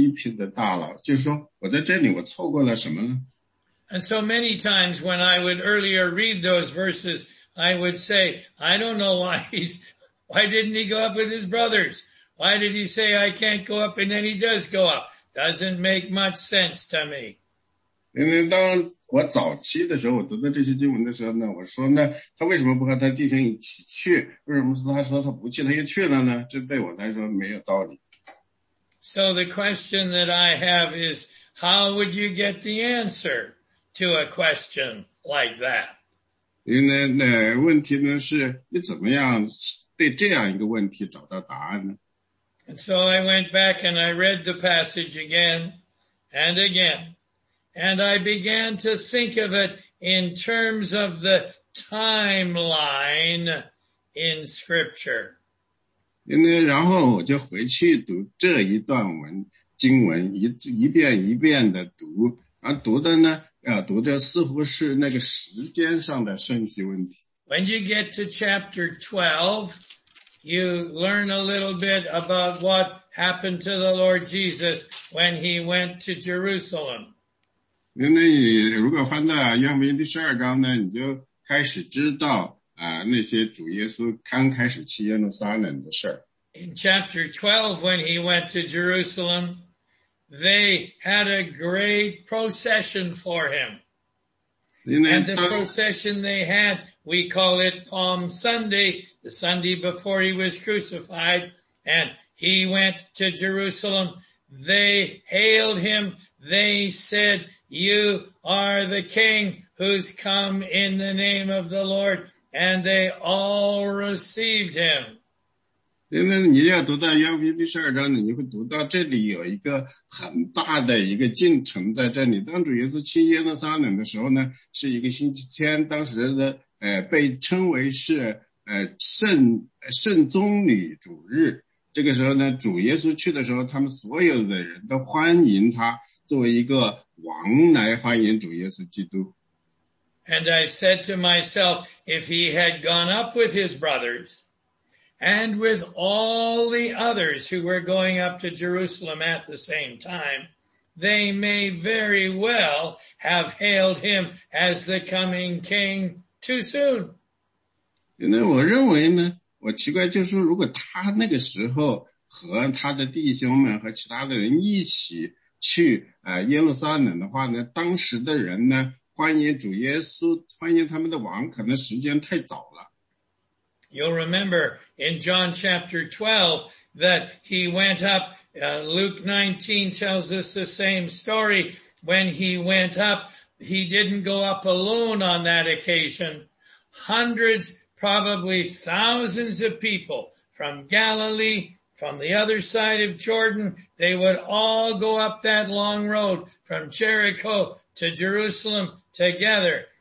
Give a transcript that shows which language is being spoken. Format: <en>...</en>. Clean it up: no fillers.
<zh>这个问题呢，基本上是带着一个寻求解答的一个大佬，而不是一个去批评的大佬。就是说，我在这里我错过了什么呢？</zh> <en>And so many times when I would earlier read those verses, I would say, I don't know why didn't he go up with his brothers? Why did he say, "I can't go up," and then he does go up? Doesn't make much sense to me.</en> <zh>因为当我早期的时候，我读到这些经文的时候呢，我说呢，他为什么不和他弟兄一起去？为什么他说他不去，他又去了呢？这对我来说没有道理。</zh> <en>So the question that I have is, how would you get the answer to a question like that?</en> <zh>因为那问题呢是，你怎么样对这样一个问题找到答案呢？</zh> <en>And so I went back and I read the passage again and again. And I began to think of it in terms of the timeline in scripture.</en> <zh>因为然后我就回去读这一段文经文 一遍一遍的读。而读的呢读的似乎是那个时间上的顺序问题。</zh> <en>When you get to chapter 12, you learn a little bit about what happened to the Lord Jesus when he went to Jerusalem.</en> <zh>因为你如果翻到约翰福音第十二章呢，你就开始知道那些主耶稣刚开始去耶路撒冷的事。</zh> <en>In chapter 12, when he went to Jerusalem, they had a great procession for him. And the procession they had, we call it Palm Sunday, the Sunday before he was crucified, and he went to Jerusalem. They hailed him. They said, you are the king who's come in the name of the Lord. And they all received him.</en> <zh>因为你要读到约翰福音第十二章，你会读到这里有一个很大的一个进程在这里。当主耶稣去耶路撒冷的时候呢，是一个星期天，当时的被称为是圣宗女主日。这个时候呢，主耶稣去的时候，他们所有的人都欢迎他作为一个王来欢迎主耶稣基督。</zh> <en>And I said to myself, if he had gone up with his brothers and with all the others who were going up to Jerusalem at the same time, they may very well have hailed him as the coming king too soon.</en> <zh>因为我认为呢，我奇怪就是如果他那个时候和他的弟兄们和其他的人一起去耶路撒冷的话呢，当时的人呢欢迎主耶稣，欢迎他们的王，可能时间太早了。</zh> <en>You'll remember in John chapter 12 that he went up, Luke 19 tells us the same story. When he went up, he didn't go up alone on that occasion. Hundreds, probably thousands of people from Galilee, from the other side of Jordan, they would all go up that long road from Jericho to Jerusalem. Together.</en>